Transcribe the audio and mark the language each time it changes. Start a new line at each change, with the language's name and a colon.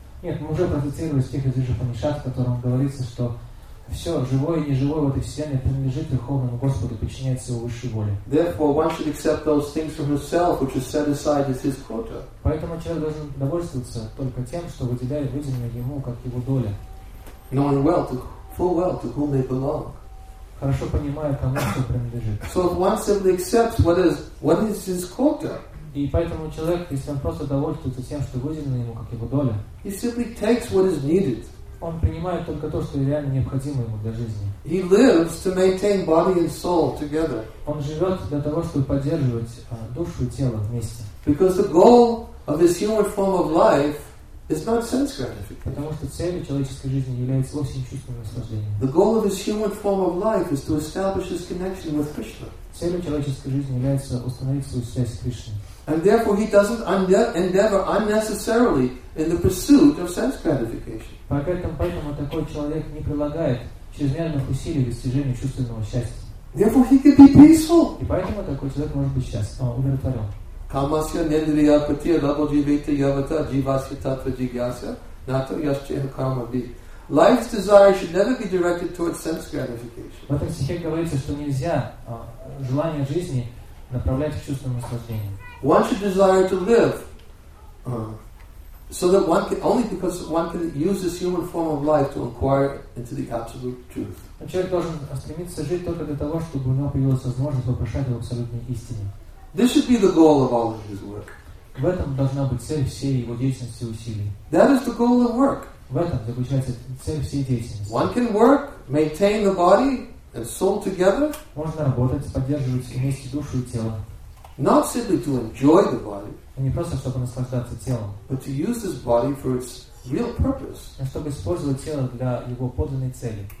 Russian: Нет, мы уже процитировали стих из Ишупанишад, в котором говорится, что все живое и неживое в этой вселенной принадлежит Верховному Господу, подчиняется Его высшей воле.
English: Therefore, one should accept those things from himself, which is set aside as his quota.
Russian: Поэтому человек должен довольствоваться только тем, что выделяет выделено ему как его доля.
English: Knowing well, to, full well, to whom they belong.
Russian: Хорошо понимая, кому все принадлежит.
English: So if one simply accepts what is his quota.
Russian: И поэтому человек, если он просто довольствуется тем, что выделено ему как его доля,
English: he simply takes what is needed.
Russian: Он принимает только то, что реально необходимо ему для жизни.
English: He lives to maintain body and soul together.
Russian: Он живет для того, чтобы поддерживать душу и тело вместе.
English: Because the goal of this human form of life is not sense gratification.
Russian: Потому что целью человеческой жизни является вовсе не чувственное наслаждение.
English: The goal of this human form of life is to establish his connection with Krishna.
Russian: Целью человеческой жизни является установить свою связь с Кришной.
English: And therefore he doesn't endeavor unnecessarily in the pursuit of sense gratification.
Russian: Поэтому такой человек не прилагает чрезмерных усилий в достижении чувственного счастья.
English: Therefore he could be peaceful.
Russian: И поэтому такой человек может быть счастлив, умиротворен.
Sanskrit: Kamasya nendriya patiya labo jivita yavata jivasya tatva jigyasya nato yascheha karma vi.
English: Life's desire should never be directed towards sense gratification.
Russian: В этом стихе говорится, что нельзя желание жизни направлять к чувственному наслаждению.
English: One should desire to live so that one can only because one can use this human form of life to inquire into the absolute truth.
Russian: Человек должен стремиться жить только для того, чтобы у него появилась возможность вопрошать об абсолютной истине.
English: This should be the goal of all of his work.
Russian: В этом должна быть цель всей его деятельности и усилий.
English: That is the goal of work.
Russian: В этом заключается цель всей деятельности.
English: One can work, maintain the body and soul together.
Russian: Можно работать, поддерживать вместе душу и тело.
English: Not simply to enjoy the body,
Russian: не просто чтобы наслаждаться телом,
English: but to use this body for its real purpose,
Russian: а чтобы использовать тело для его подлинной цели,